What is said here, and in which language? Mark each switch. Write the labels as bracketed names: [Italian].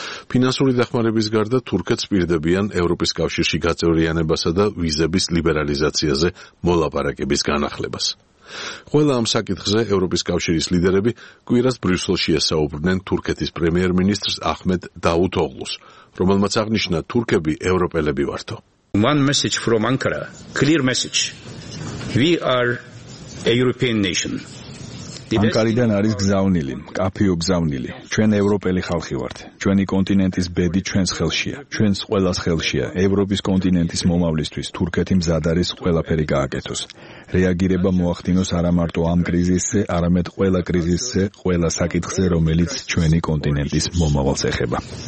[Georgian] ფინანსური დახმარების გარდა თურქეთს პირდებიან ევროპის კავშირში გაწევრიანებასა და ვიზების ლიბერალიზაციაზე მოლაპარაკების განახლებას. ყველა ამ საკითხზე ევროპის კავშირის ლიდერები კვირას ბრიუსელში ესაუბრნენ თურქეთის პრემიერ-მინისტრს აჰმედ დავუთოღლუს, რომელმაც აღნიშნა თურქები ევროპელები ვართო. [English] One message from Ankara, clear message. We are a European nation. [Georgian] ანკარიდან არის გზავნილი, კაფეო გზავნილი. ჩვენ ევროპელი ხალხი ვართ. ჩვენი კონტინენტის ბედი ჩვენს ხელშია. ჩვენს ყველას ხელშია. ევროპის კონტინენტის მომავლისთვის თურქეთი მზად არის ყველაფერი გააკეთოს. რეაგირება მოახდინოს არამარტო ამ კრიზისზე, არამედ ყველა კრიზისზე, ყველა საკითხზე, რომელიც ჩვენი კონტინენტის მომავალს ეხება.